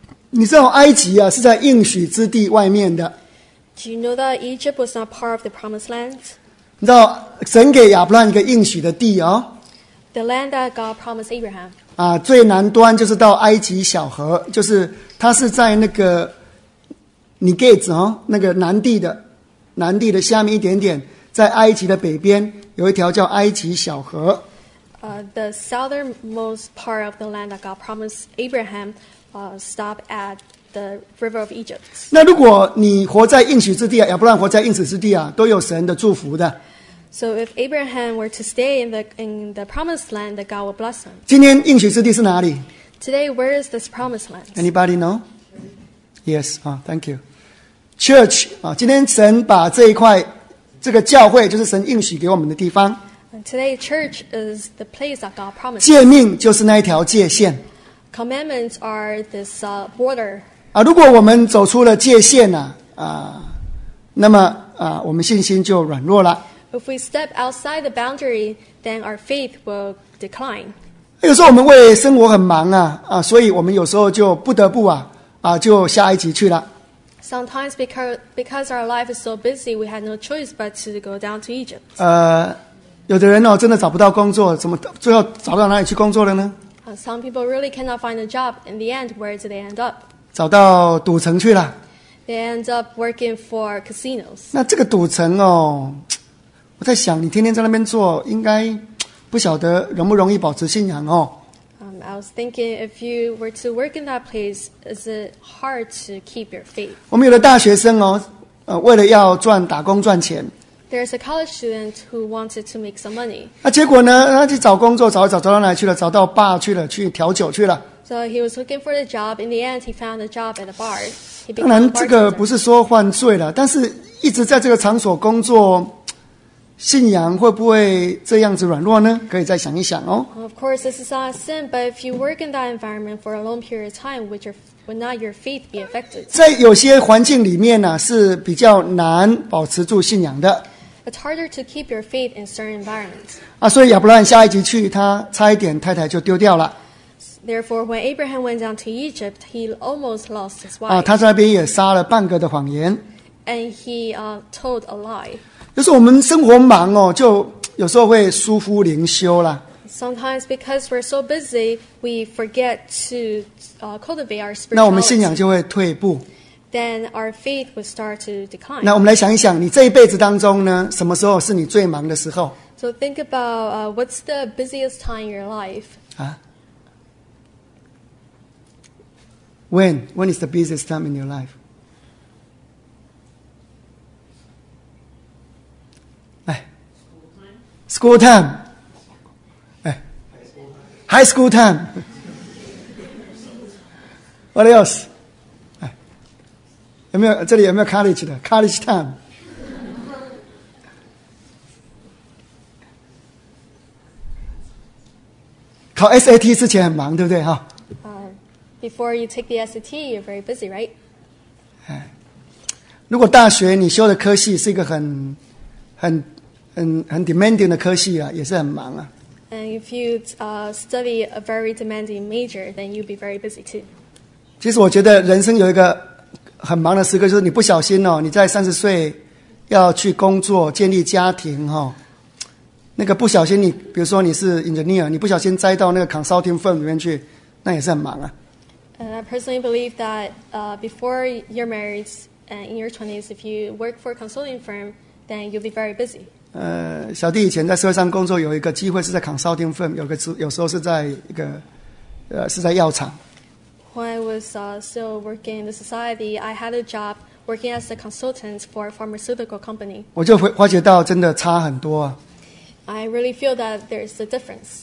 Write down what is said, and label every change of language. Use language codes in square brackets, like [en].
[zh] 你知道埃及啊是在应许之地外面的。 [en] Do you know that Egypt was not part of the promised land? [zh] 你知道神给亚伯兰一个应许的地哦。 [en] The land that God promised Abraham. [zh] 啊，最南端就是到埃及小河，就是它是在那个 Negev 哦，那个南地的下面一点点，在埃及的北边有一条叫埃及小河。 [en] The southernmost part of the land that God promised Abraham. Stop at the river of Egypt. [zh] 那如果你活在应许之地啊，亚伯兰活在应许之地啊，都有神的祝福的。 [en] So if Abraham were to stay in the promised land, that God will bless him. [zh] 今天应许之地是哪里 [en] ？Today, where is this promised land? Anybody know? Yes. Thank you. Church. [zh] 今天神把这一块，这个教会就是神应许给我们的地方。 [en] Today, church is the place that God promised. [zh] 诫命就是那一条界限。 [en] Commandments are this border. [zh] 啊，如果我们走出了界限呢、啊，啊，那么啊，我们信心就软弱了。 [en] If we step outside the boundary, then our faith will decline. [zh] 有时候我们为生活很忙啊，啊，所以我们有时候就不得不啊，啊，就下埃及去了。 [en] Sometimes because our life is so busy, we had no choice but to go down to Egypt. [zh] 有的人哦，真的找不到工作，怎么最后找到哪里去工作了呢？ [en] Some people really cannot find a job. In the end, where do they end up? [zh] 找到赌城去了。 [en] They end up working for casinos. [zh] 那这个赌城哦，我在想，你天天在那边做，应该不晓得容不容易保持信仰哦。 [en] I was thinking if you were to work in that place, is it hard to keep your faith? [zh] 我们有的大学生哦，为了要赚打工赚钱。 [en] There's a college student who wanted to make some money. [zh] 那、啊、结果呢？他去找工作，找一找，找到哪去了？找到 bar 去了，去调酒去了。 [en] So he was looking for a job. In the end, he found a job at a bar. [zh] 当然，这个不是说犯罪了，但是一直在这个场所工作，信仰会不会这样子软弱呢？可以再想一想哦。 [en] Of course, this is not a sin, but if you work in that environment for a long period of time, would not your faith be affected? [zh] 在有些环境里面呢、啊，是比较难保持住信仰的。 [en] It's harder to keep your faith in certain environments. [zh] 啊，所以亚伯兰下埃及去，他差一点太太就丢掉了。 [en] Therefore, when Abraham went down to Egypt, he almost lost his wife. [zh] 啊，他在那边也撒了半个的谎言。 [en] And he told a lie. [zh] 就是我们生活忙哦，就有时候会疏忽灵修啦。 [en] Sometimes because we're so busy, we forget to cultivate our spirituality. [zh] 那我们信仰就会退步。 [en] Then our faith would start to decline. [zh] 那我们来想一想，你这一辈子当中呢，什么时候是你最忙的时候 [en] ？So think about what's the busiest time in your life? 啊 ？When is the busiest time in your life? 来 ，school time， 哎 ，high school time， what else？ [zh] 有没有这里有没有 college 的 college time？考 SAT 之前很忙，对不对哈？ [en] Before you take the SAT, you're very busy, right? [zh] 如果大学你修的科系是一个很 demanding 的科系啊，也是很忙啊。 [en] And if you study a very demanding major, then you'd be very busy too. [zh] 其实我觉得人生有一个。很忙的时刻就是你不小心哦，你在三十岁要去工作建立家庭哈、哦，那个不小心你比如说你是 engineer， 你不小心栽到那个 consulting firm 里面去，那也是很忙啊。 [en] And I personally believe that before you're married and in your twenties, if you work for a consulting firm, then you'll be very busy. [zh] 小弟以前在社会上工作有一个机会是在 consulting firm， 有时候是在一个是在药厂。 [en] When I was still working in the society, I had a job working as a consultant for a pharmaceutical company. [zh] 我就发觉到真的差很多、啊。 [en] I really feel that there is a difference.